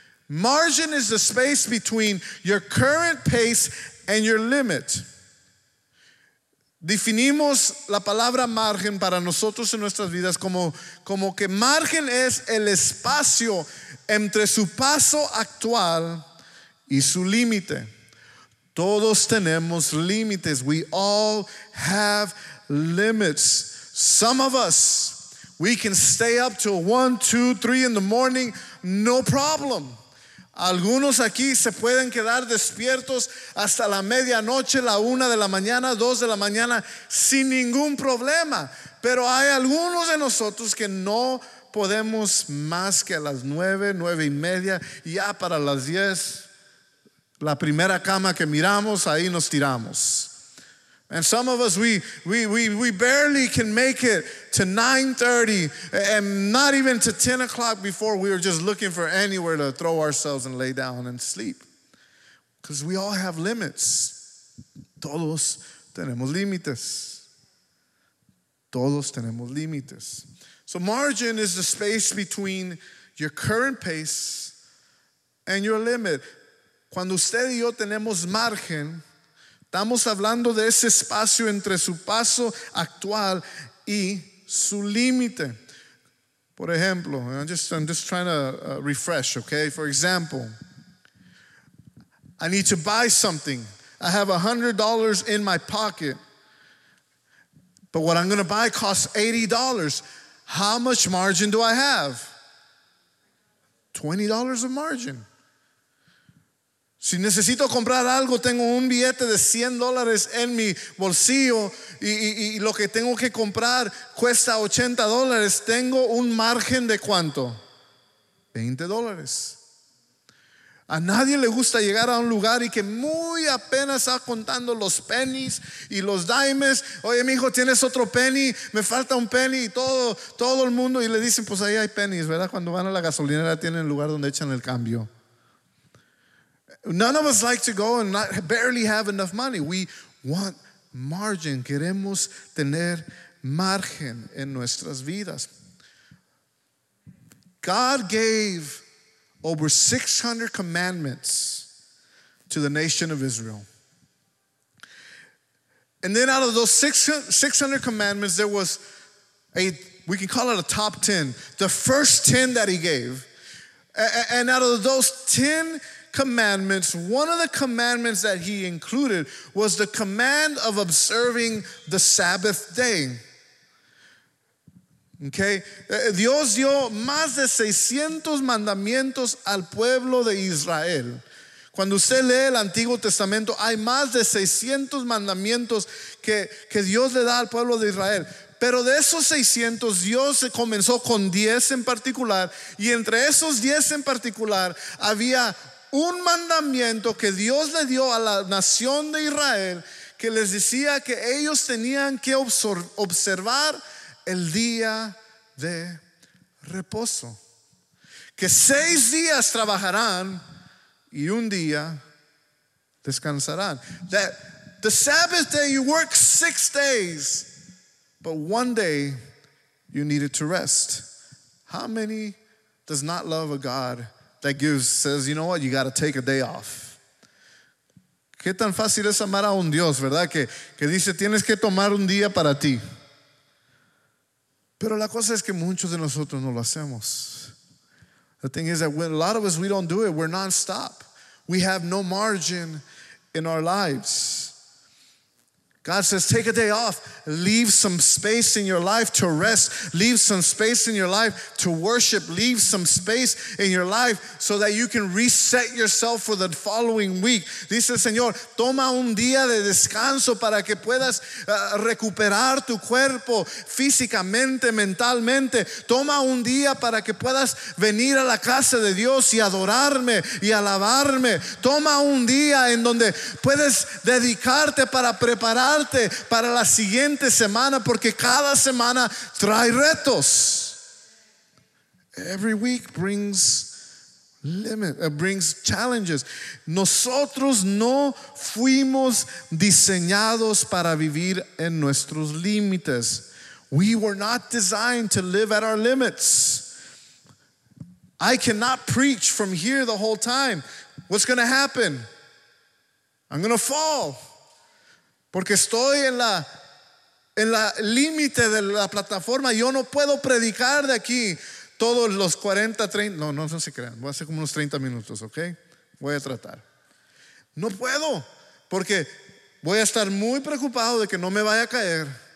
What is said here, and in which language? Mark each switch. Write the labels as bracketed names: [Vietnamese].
[English] Margin is the space between your current pace and your limit. [Spanish] Definimos la palabra margen para nosotros en nuestras vidas como que margen es el espacio entre su paso actual y su límite. Todos tenemos límites. [English] We all have limits. Some of us, we can stay up till 1, 2, 3 in the morning, no problem. [Spanish] Algunos aquí se pueden quedar despiertos hasta la medianoche, la 1 de la mañana, 2 de la mañana, sin ningún problema. Pero hay algunos de nosotros que no podemos más que a las 9, 9:30, ya para las 10, la primera cama que miramos, ahí nos tiramos. [English] And some of us, we barely can make it to 9:30 and not even to 10 o'clock before we are just looking for anywhere to throw ourselves and lay down and sleep. Because we all have limits. [Spanish] Todos tenemos límites. Todos tenemos límites. [English] So margin is the space between your current pace and your limit. [Spanish] Cuando usted y yo tenemos margen, Estamos hablando de ese espacio entre su paso actual y su límite. Por ejemplo, [English] I'm just trying to refresh, okay? For example, I need to buy something. I have $100 in my pocket, but what I'm going to buy costs $80. How much margin do I have? $20 of margin. [Spanish] Si necesito comprar algo, tengo un billete de $100 en mi bolsillo y lo que tengo que comprar cuesta $80, tengo un margen de ¿cuánto? $20. A nadie le gusta llegar a un lugar y que muy apenas está contando los pennies y los dimes. Oye, mijo, ¿tienes otro penny? Me falta un penny. Y todo el mundo, y le dicen, pues ahí hay pennies, ¿verdad? Cuando van a la gasolinera tienen el lugar donde echan el cambio. [English] None of us like to go and not, barely have enough money. We want margin. [Spanish] Queremos tener margen en nuestras vidas. [English] God gave over 600 commandments to the nation of Israel. And then out of those 600 commandments, there was we can call it a top 10. The first 10 that he gave. And out of those 10 commandments, one of the commandments that he included was the command of observing the Sabbath day. [Spanish] Okay, Dios dio más de 600 mandamientos al pueblo de Israel. Cuando usted lee el Antiguo Testamento, hay más de 600 mandamientos que Dios le da al pueblo de Israel. Pero de esos 600, Dios comenzó con 10 en particular, y entre esos 10 en particular había un mandamiento que Dios le dio a la nación de Israel, que les decía que ellos tenían que observar el día de reposo. Que 6 días trabajarán y un día descansarán. [English] That the Sabbath day you work 6 days, but one day you needed to rest. How many does not love a God that says, you know what, you got to take a day off? [Spanish] ¿Qué tan fácil es amar a un Dios, verdad? Que dice, tienes que tomar un día para ti. Pero la cosa es que muchos de nosotros no lo hacemos. [English] The thing is that a lot of us, we don't do it. We're nonstop. We have no margin in our lives. God says, take a day off. Leave some space in your life to rest. Leave some space in your life to worship. Leave some space in your life so that you can reset yourself for the following week. [Spanish] Dice el Señor, toma un día de descanso para que puedas recuperar tu cuerpo físicamente, mentalmente. Toma un día para que puedas venir a la casa de Dios y adorarme y alabarme. Toma un día en donde puedes dedicarte para preparar para la siguiente semana, porque cada semana trae retos. [English] Every week brings limits, brings challenges. [Spanish] Nosotros no fuimos diseñados para vivir en nuestros límites. [English] We were not designed to live at our limits. I cannot preach from here the whole time. What's going to happen? I'm going to fall. [Spanish] Porque estoy en la límite de la plataforma. Yo no puedo predicar de aquí todos los 40, 30. No se crean. Voy a hacer como unos 30 minutos, ¿ok? Voy a tratar. No puedo, porque voy a estar muy preocupado de que no me vaya a caer.